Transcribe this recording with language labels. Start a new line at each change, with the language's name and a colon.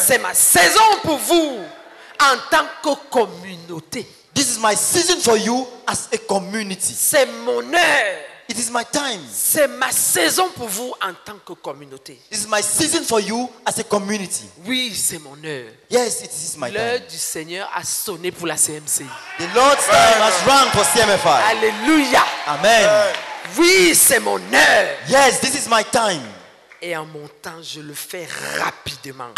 French: C'est ma saison pour vous en tant que communauté.
English: This is my season for you as a community.
French: C'est mon heure.
English: It is my time.
French: C'est ma saison pour vous en tant que communauté.
English: This is my season for you as a community.
French: Oui, c'est mon heure.
English: Yes, it is my time.
French: L'heure du Seigneur a sonné pour la CMC.
English: The Lord's time has rung for CMFI.
French: Alléluia. Amen. Oui, c'est mon heure.
English: Yes, this is my time.
French: et en mon temps, je le fais rapidement.